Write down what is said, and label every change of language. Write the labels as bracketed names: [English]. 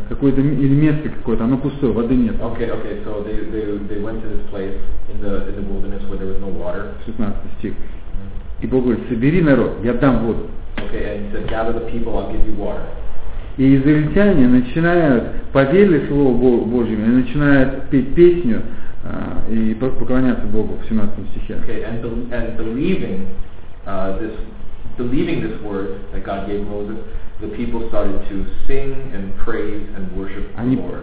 [Russian] Какое-то или место какое-то, оно пустое, воды нет. [English] Okay, so they went to this place in the wilderness where there was no water. [Russian] 16 стих. И Бог говорит, собери народ, я дам воду. [English] Okay, and he said, gather the people, I'll give you water. [Russian] И израильтяне начинают поверили Слову Божьему и начинают петь песню и поклоняться Богу в 17 стихе. [English] Okay, and believing this. Believing this word that God gave Moses, the people started to sing and praise and worship the Lord.